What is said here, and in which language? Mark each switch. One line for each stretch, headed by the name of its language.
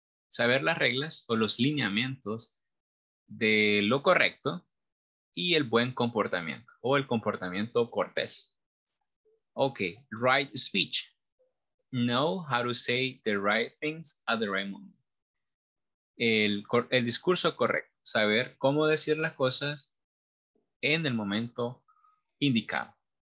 Spanish: Saber las reglas o los lineamientos de lo correcto y el buen comportamiento o el comportamiento cortés.
English: Okay, right speech. Know how to say the right things at the right moment.
Spanish: El discurso correcto. Saber cómo decir las cosas en el momento indicado.